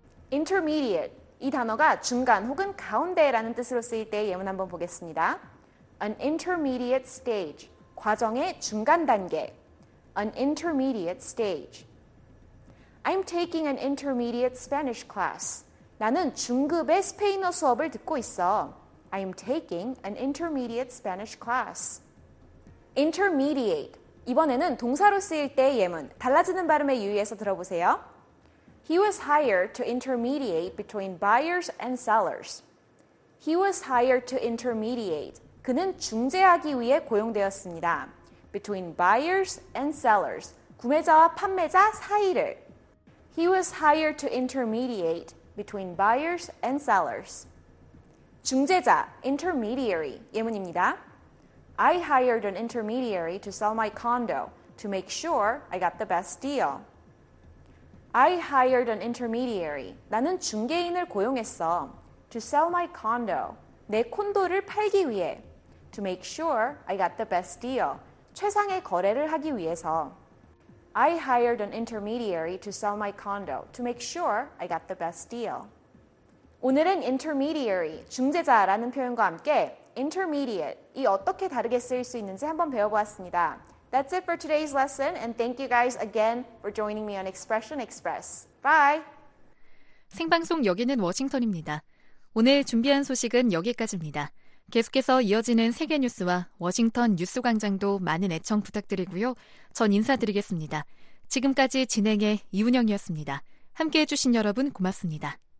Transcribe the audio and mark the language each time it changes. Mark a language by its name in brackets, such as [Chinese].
[Korean] Intermediate, 이 단어가 중간 혹은 가운데라는 뜻으로 쓰일 때 예문 한번 보겠습니다. [English] An intermediate stage, [Korean] 과정의 중간 단계. [English] An intermediate stage. I'm taking an intermediate Spanish class. [Korean] 나는 중급의 스페인어 수업을 듣고 있어. [English] I am taking an intermediate Spanish class. Intermediate. [Korean] 이번에는 동사로 쓰일 때 예문, 달라지는 발음에 유의해서 들어보세요. [English] He was hired to intermediate between buyers and sellers. He was hired to intermediate. [Korean] 그는 중재하기 위해 고용되었습니다. [English] Between buyers and sellers. [Korean] 구매자와 판매자 사이를. [English] He was hired to intermediate between buyers and sellers. [Korean] 중재자, [English] intermediary, [Korean] 예문입니다. [English] I hired an intermediary to sell my condo to make sure I got the best deal. I hired an intermediary. [Korean] 나는 중개인을 고용했어. [English] To sell my condo. [Korean] 내 콘도를 팔기 위해. [English] To make sure I got the best deal. [Korean] 최상의 거래를 하기 위해서. [English] I hired an intermediary to sell my condo to make sure I got the best deal. [Korean] 오늘은 intermediary, 중재자라는 표현과 함께 intermediate, 이 어떻게 다르게 쓰일 수 있는지 한번 배워보았습니다. [English] That's it for today's lesson, and thank you guys again for joining me on Expression Express. Bye! [Korean] 생방송 여기는 워싱턴입니다. 오늘 준비한 소식은 여기까지입니다. 계속해서 이어지는 세계 뉴스와 워싱턴 뉴스 광장도 많은 애청 부탁드리고요. 전 인사드리겠습니다. 지금까지 진행의 이운영이었습니다. 함께해 주신 여러분 고맙습니다.